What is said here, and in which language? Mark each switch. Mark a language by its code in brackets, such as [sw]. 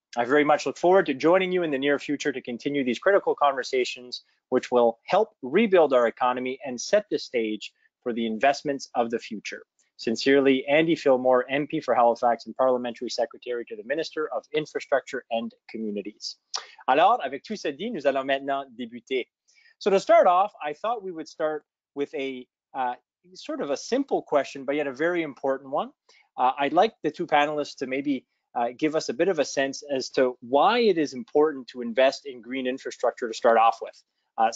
[en] I very much look forward to joining you in the near future to continue these critical conversations, which will help rebuild our economy and set the stage for the investments of the future. Sincerely, Andy Fillmore, MP for Halifax and Parliamentary Secretary to the Minister of Infrastructure and Communities. [fr] Alors, avec tout ça dit, nous allons maintenant débuter. [en] So to start off, I thought we would start with a sort of a simple question, but yet a very important one. I'd like the two panelists to maybe give us a bit of a sense as to why it is important to invest in green infrastructure to start off with.